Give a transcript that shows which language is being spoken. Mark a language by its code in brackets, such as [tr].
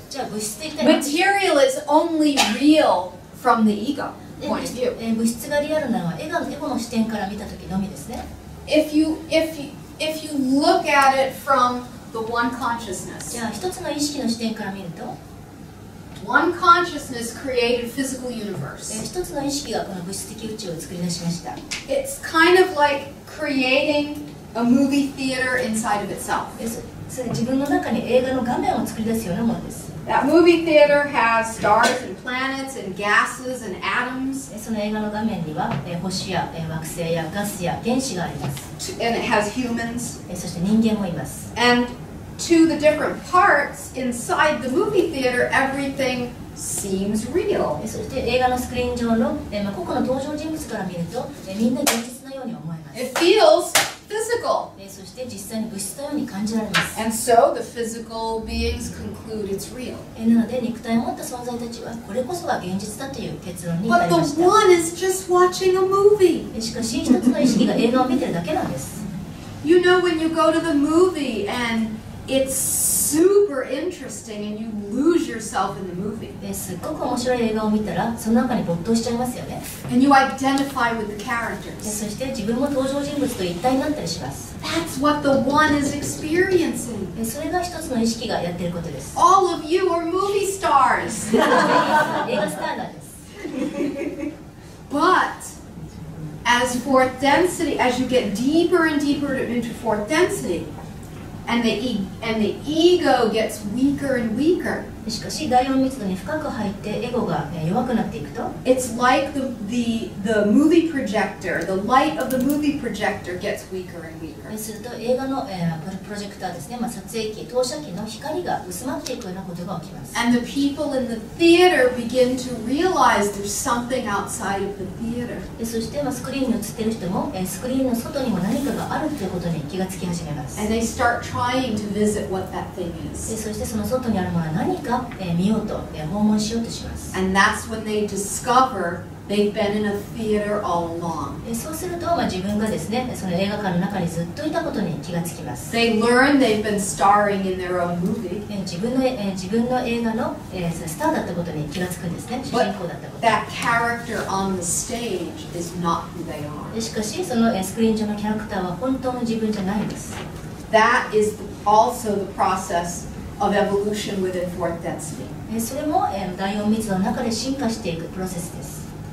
[ja] じゃあ物質って言った [en] ら material is only real from the ego point of view. [ja] 物質がリアルなのはエゴの視点から見た時のみですね。 [en] If you look at it from the one consciousness, [ja] じゃあ一つの意識の視点から見ると、 [en] one consciousness created physical universe. [ja] 一つの意識がこの物質的宇宙を作り出しました。 [en] It's kind of like creating a movie theater inside of itself. [ja] それ自分の中に映画の画面を作り出すようなものです。 [en] That movie theater has stars and planets and gases and atoms. [ja] その映画の画面には星や惑星やガスや原子があります。 [en] And it has humans. [ja] そして人間もいます。 [en] And to the different parts inside the movie theater, everything seems real. [ja] そして映画のスクリーン上の個々の登場人物から見ると、みんな現実のように思います。 [en] It feels physical. [ja] そして実際に物質のように感じられます。 [en] And so the physical beings conclude it's real. [ja] なので肉体を持った存在たちはこれこそが現実だという結論に至りました。 [en] But the one is just watching a movie. [ja] しかし一つの意識が映画を見てるだけなんです。 [en] You know when you go to the movie and it's super interesting and you lose yourself in the movie. [ja] すごく面白い映画を見たらその中に没頭しちゃいますよね。 [en] And you identify with the characters. [ja] そして自分も登場人物と一体になったりします。 [en] That's what the one is experiencing. [ja] それが一つの意識がやってることです。 [en] All of you are movie stars. [ja] 映画スターなんです。 [en] ButAs fourth density, as you get deeper and deeper into fourth density, and the ego gets weaker and weaker. [ja] しかし第四密度に深く入ってエゴが弱くなっていくと、 [en] it's like the movie projector, the light of the movie projector gets weaker and weaker. [ja] すると映画のプロジェクターですね、まあ、撮影機、投射機の光が薄まっていくようなことが起きます。 [en] And the people in the theater begin to realize there's something outside of the theater. [ja] そして、まあ、スクリーンに映ってる人も、スクリーンの外にも何かがあるということに気がつき始めます。 [en] And they start trying to visit what that thing is. [ja] そしてその外にあるものは何か、見ようと、訪問しようとします。 [en] And that's when they discoverThey've been in a theater all along. [ja] そうすると、まあ、自分がですね、その映画館の中にずっといたことに気がつきます。 [en] They learn they've been starring in their own movie. [ja] 自分の映画の、スターだったことに気がつくんですね。主人公だったこと。 [en] But that character on the stage is not who they are. [ja] しかし、そのスクリーン上のキャラクターは本当の自分じゃないんです。 [en] That is also the process of evolution within fourth density. [ja] それも、第四密度の中で進化していくプロセスです。